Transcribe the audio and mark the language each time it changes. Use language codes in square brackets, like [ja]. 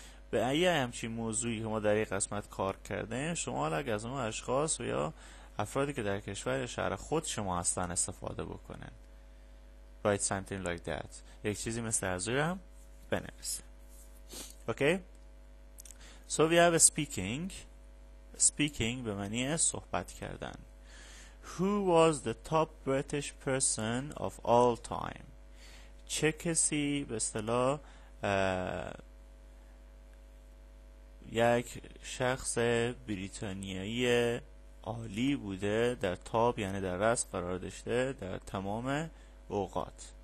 [fa] به ایه همچین موضوعی که ما در این قسمت کار کردیم، شما اگر از اون اشخاص و یا افرادی که در کشور شهر خود شما هستن استفاده بکنن. [en] Write something like that. [fa] یک چیزی مثل از اونم بنویسه. [en] Okay. So we have speaking. [fa] Speaking به معنی صحبت کردن. [en] Who was the top British person of all time? [fa] چه کسی به اصطلاح یک شخص بریتانیایی عالی بوده در تاپ، یعنی در رأس قرار داشته در تمام اوقات.